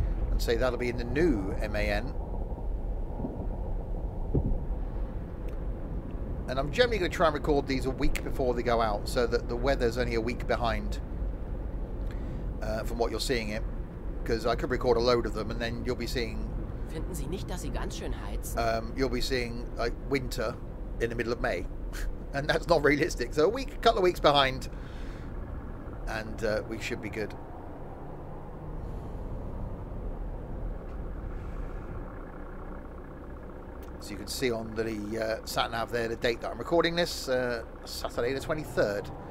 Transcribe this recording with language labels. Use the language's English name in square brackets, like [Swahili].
[English] And say that'll be in the new MAN. And I'm generally going to try and record these a week before they go out, so that the weather's only a week behind from what you're seeing it. Because I could record a load of them and then you'll be seeing... [German] Finden Sie nicht, dass Sie ganz schön heizen? [English] You'll be seeing winter in the middle of May. And that's not realistic. So a week, couple of weeks behind, and we should be good. So you can see on the sat nav there the date that I'm recording this, Saturday the 23rd.